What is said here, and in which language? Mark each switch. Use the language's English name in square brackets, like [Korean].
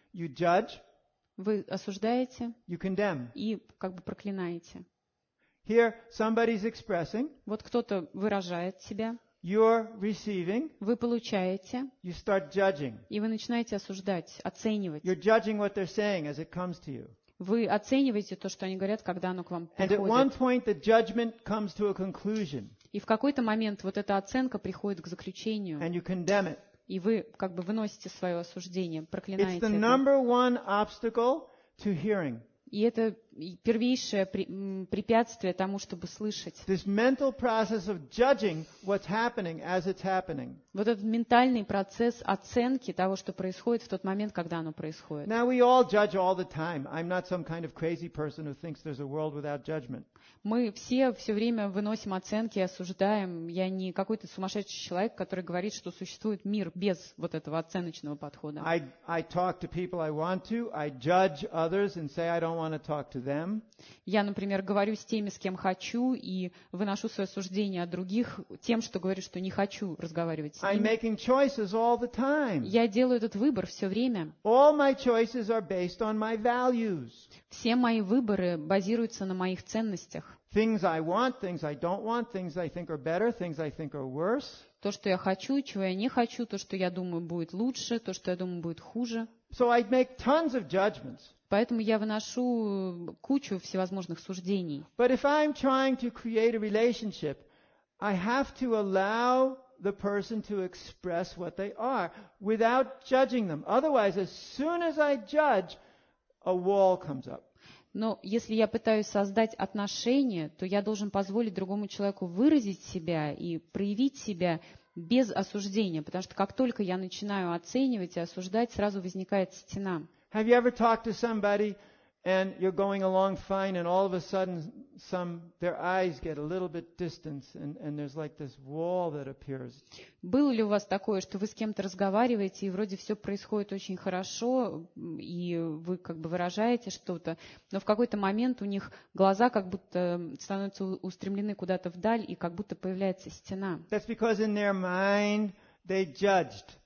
[English] You judge. [Russian] Вы осуждаете. [English] You condemn. [Russian] И как бы проклинаете. [English] Here somebody's expressing. [Russian] Вот кто-то выражает себя. [English] You're receiving. [Russian] Вы получаете. [English] You start judging. [Russian] И вы начинаете осуждать, оценивать. [English] You're judging what they're saying as it comes to you. [Russian] Вы оцениваете то, что они говорят, когда оно к вам приходит. [English] And at one point the judgment comes to a conclusion. [Russian] И в какой-то момент вот эта оценка приходит к заключению. [English] And you condemn it. [Russian] И вы как бы выносите свое осуждение, проклинаете. [English] It's the number one obstacle to hearing. [Russian] И это первейшее препятствие тому, чтобы слышать. [English] This mental process of judging what's happening as it's happening. [Russian] Вот этот ментальный процесс оценки того, что происходит в тот момент, когда оно происходит. [English] Now we all judge all the time. I'm not some kind of crazy person who thinks there's a world without judgment. [Russian] Мы все время выносим оценки, осуждаем. Я не какой-то сумасшедший человек, который говорит, что существует мир без вот этого оценочного подхода. [English] I talk to people I want to. I judge others and say I don't want to talk to them. [Russian] Я, например, говорю с теми, с кем хочу, и выношу свое суждение о других тем, что говорю, что не хочу разговаривать с ними. [English] I'm making choices all the time. [Russian] Я делаю этот выбор все время. [English] All my choices are based on my values. [Russian] Все мои выборы базируются на моих ценностях. [English] Things I want, things I don't want, things I think are better, things I think are worse. [Russian] То, что я хочу, чего я не хочу, то, что я думаю будет лучше, то, что я думаю будет хуже. [English] So I make tons of judgments. [Russian] Поэтому я выношу кучу всевозможных суждений. Но если я Но если я пытаюсь создать отношения, то я должен позволить другому человеку выразить себя и проявить себя без осуждения, потому что как только я начинаю оценивать и осуждать, сразу возникает стена. [English] Have you ever talked to somebody and you're going along fine and all of a sudden their eyes get a little bit distance and there's like this wall that appears? [Russian] Было ли у вас такое, что вы с кем-то разговариваете и вроде все происходит очень хорошо, и вы как бы выражаете что-то, но в какой-то момент у них глаза как будто становятся устремлены куда-то вдаль и как будто появляется стена? [English] That's because in their mind they judged.